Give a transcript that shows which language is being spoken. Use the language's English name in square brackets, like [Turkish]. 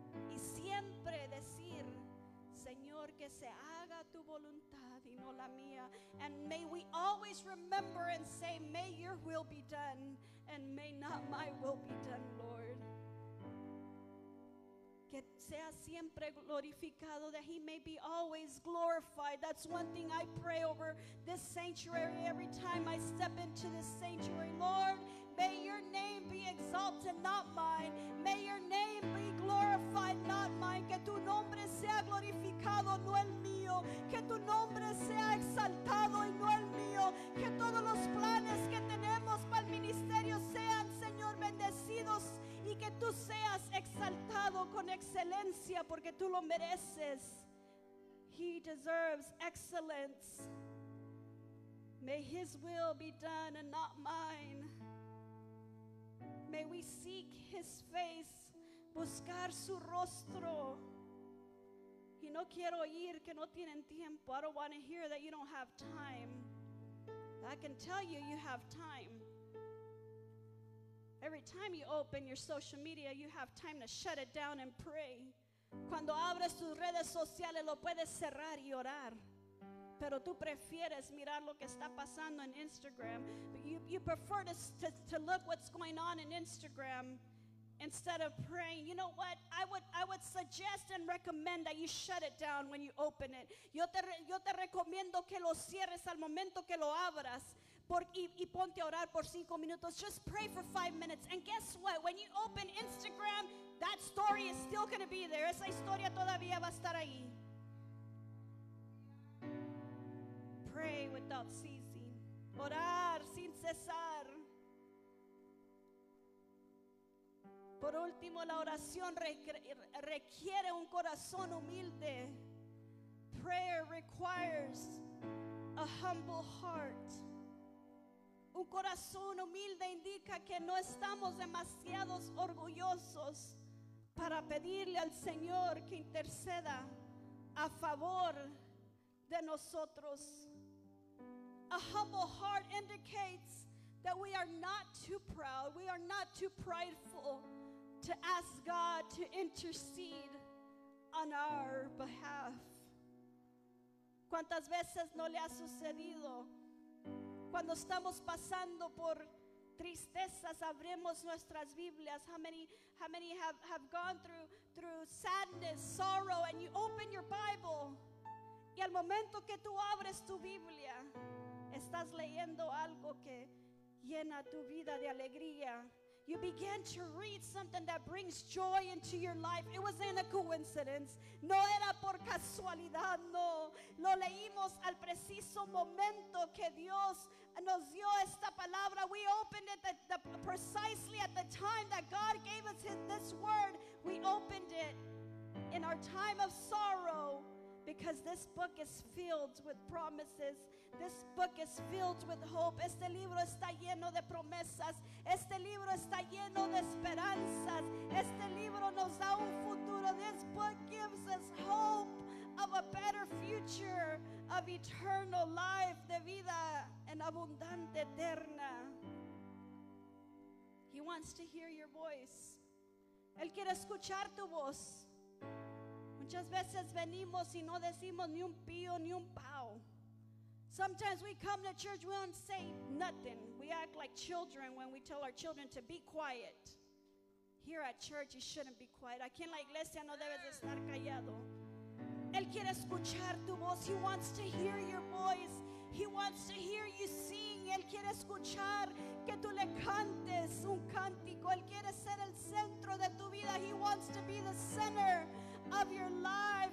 [Spanish] Y siempre decir, Señor, que se haga tu voluntad y no la mía. [English] And may we always remember and say, may your will be done and may not my will be done, Lord. [Spanish] Que sea siempre glorificado, [English] that he may be always glorified. That's one thing I pray over this sanctuary every time I step into this sanctuary. Lord, may your name be exalted, not mine. May your name be glorified, not mine. [Spanish] Que tu nombre sea glorificado, no el mío. Que tu nombre sea exaltado y no el mío. Que todos los planes que tenemos para el ministerio sean, Señor, bendecidos. Y que tú seas exaltado con excelencia, porque tú lo mereces. [English] He deserves excellence. May his will be done and not mine. May we seek his face, [Spanish] buscar su rostro. Y no quiero oír que no tienen tiempo. [English] I don't want to hear that you don't have time. I can tell you, you have time. Every time you open your social media, you have time to shut it down and pray. [Spanish] Cuando abres tus redes sociales, lo puedes cerrar y orar. Pero tú prefieres mirar lo que está pasando en Instagram. [English] You prefer to look what's going on in Instagram instead of praying. You know what? I would suggest and recommend that you shut it down when you open it. [Spanish] Yo te recomiendo que lo cierres al momento que lo abras. Y ponte a orar por 5 minutos. [English] Just pray for 5 minutes. And guess what? When you open Instagram, that story is still going to be there. [Spanish] Esa historia todavía va a estar ahí. [English] Pray without ceasing. [Spanish] Orar sin cesar. Por último, la oración requiere un corazón humilde. [English] Prayer requires a humble heart. [Spanish] Un corazón humilde indica que no estamos demasiado orgullosos para pedirle al Señor que interceda a favor de nosotros. [English] A humble heart indicates that we are not too proud, we are not too prideful to ask God to intercede on our behalf. [Spanish] ¿Cuántas veces no le ha sucedido? Cuando estamos pasando por tristezas, abrimos nuestras Biblias. [English] How many have gone through sadness, sorrow, and you open your Bible? [Spanish] Y al momento que tú abres tu Biblia, estás leyendo algo que llena tu vida de alegría. [English] You begin to read something that brings joy into your life. It wasn't a coincidence. [Spanish] No era por casualidad, no. Lo leímos al preciso momento que Dios nos dio esta palabra. [English] We opened it precisely at the time that God gave us this word. We opened it in our time of sorrow because this book is filled with promises. This book is filled with hope. [Spanish] Este libro está lleno de promesas. Este libro está lleno de esperanzas. Este libro nos da un futuro. [English] This book gives us hope of a better future, of eternal life, [Spanish] de vida en abundante eterna. [English] He wants to hear your voice. [Spanish] Él quiere escuchar tu voz. Muchas veces venimos y no decimos ni un pío ni un pao. [English] Sometimes we come to church, we don't say nothing. We act like children when we tell our children to be quiet. Here at church, you shouldn't be quiet. [Spanish] Aquí en la iglesia no debes estar callado. Él quiere escuchar tu voz. [English] He wants to hear your voice. He wants to hear you sing. [Spanish] Él quiere escuchar que tú le cantes un cántico. Él quiere ser el centro de tu vida. [English] He wants to be the center of your life.